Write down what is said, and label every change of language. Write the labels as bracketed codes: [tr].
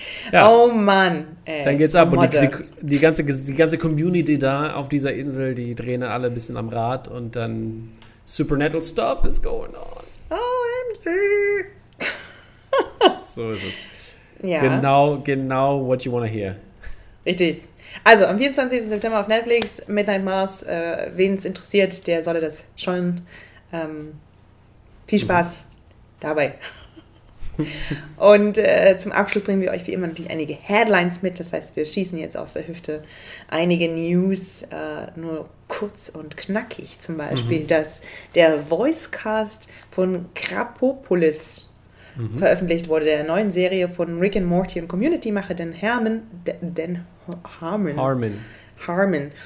[de] Ja. Oh Mann. Ey. Dann geht's ab. Modde. Und die ganze Community da auf dieser Insel, die drehen alle ein bisschen am Rad und dann [en] supernatural stuff is going on. OMG. [de] So ist es. Ja. Genau [en] what you want to hear. [de] Richtig. Also, am 24. September auf Netflix, Midnight Mass, wen es interessiert, der solle das schauen. Viel Spaß dabei. Und zum Abschluss bringen wir euch wie immer natürlich einige Headlines mit. Das heißt, wir schießen jetzt aus der Hüfte einige News, nur kurz und knackig zum Beispiel, dass der Voicecast von Krapopolis veröffentlicht wurde, der neuen Serie von Rick and Morty und Community-Macher Dan Harmon.